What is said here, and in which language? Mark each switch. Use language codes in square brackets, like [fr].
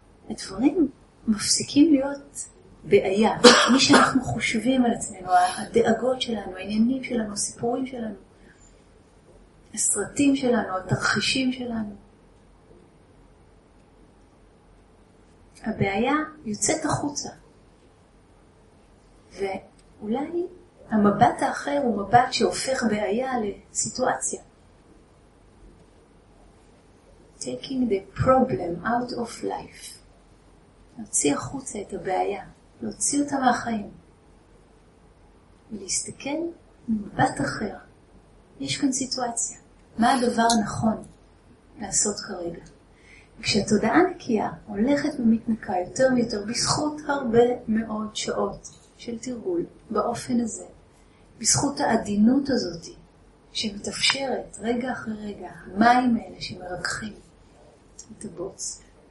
[he] הדברים מפסיקים להיות בעיה, מי שאנחנו חושבים על עצמנו, הדאגות שלנו, העניינים שלנו, הסיפורים שלנו, הסרטים שלנו, התרחישים שלנו. הבעיה יוצאת החוצה. ואולי המבט האחר הוא מבט שהופך בעיה לסיטואציה. [en] Taking the problem out of life. [he] להוציא החוצה את הבעיה. להוציא אותה מהחיים, ולהסתכל מבט אחר. יש כאן סיטואציה, מה הדבר הנכון לעשות כרגע. כשהתודעה נקייה הולכת ומתנקה יותר ויותר, בזכות הרבה מאוד שעות של תרגול באופן הזה, בזכות העדינות הזאת שמתאפשרת רגע אחרי רגע, המים האלה שמרקחים את הבוץ,